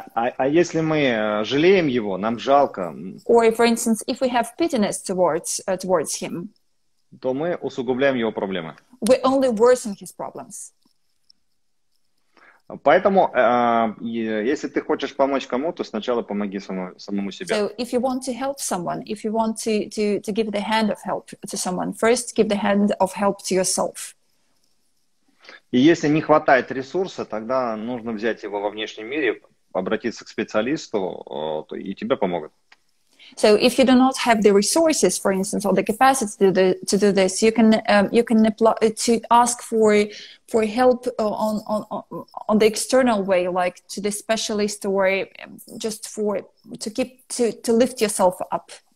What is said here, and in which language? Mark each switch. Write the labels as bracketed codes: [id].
[ru] А если мы жалеем его, нам жалко. [en] Or for instance, if we have pityness towards him, [ru] то мы усугубляем его проблемы. [en] We only worsen his problems. [ru] Поэтому, если ты хочешь помочь кому-то, сначала помоги самому себе. [en] So, if you want to help someone, if you want to give the hand of help to someone, first give the hand of help to yourself. [ru] И если не хватает ресурса, тогда нужно взять его во внешнем мире, обратиться к специалисту, и тебе помогут. [en] So, if you do not have the resources, for instance, or the capacity to do this, you can apply to ask for help on the external way, like to the specialist or just for to keep to lift yourself up.